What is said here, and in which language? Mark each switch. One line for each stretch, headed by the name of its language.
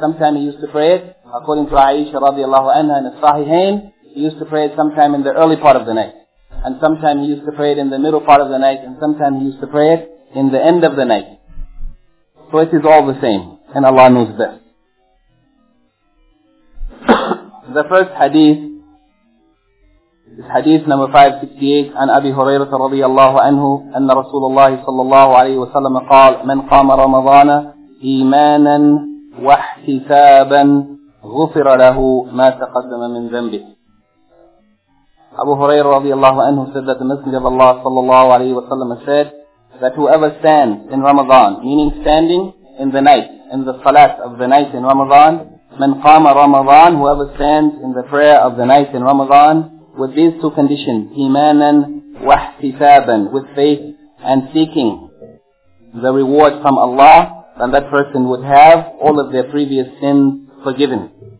English: Sometime he used to pray it, according to Aisha radiallahu anha in As-Sahihain, he used to pray it sometime in the early part of the night. And sometime he used to pray it in the middle part of the night, and sometime he used to pray it in the end of the night. So it is all the same, and Allah knows best. The first hadith is hadith number 568
Arabic: عن أبي هريرة رضي الله عنه أن رسول الله صلى الله عليه وسلم قال من قام رمضان إيمانا واحتسابا غفر له ما تقدم من ذنبه. أبو هريرة رضي الله عنه
English: said that the Messenger of Allah
Arabic: صلى الله عليه وسلم
English: said that whoever stands in Ramadan, meaning standing in the night, in the salat of the night in Ramadan,
Arabic: من قام رمضان,
English: whoever stands in the prayer of the night in Ramadan, with these two conditions,
Arabic: إيمانا واحتسابا,
English: with faith and seeking the reward from Allah, then that person would have all of their previous sins forgiven.